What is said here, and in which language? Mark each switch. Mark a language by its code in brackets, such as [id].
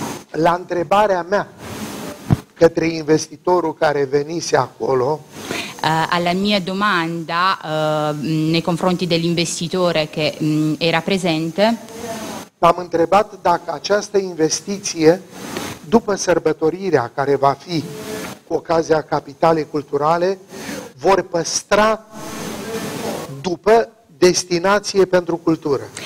[ro] La întrebarea mea către investitorul care venise acolo, [it] alla mia domanda nei confronti dell'investitore che era presente, [ro] l-am întrebat dacă această investiție, după sărbătorirea care va fi cu ocazia Capitalei Culturale, vor păstra după destinație pentru cultură.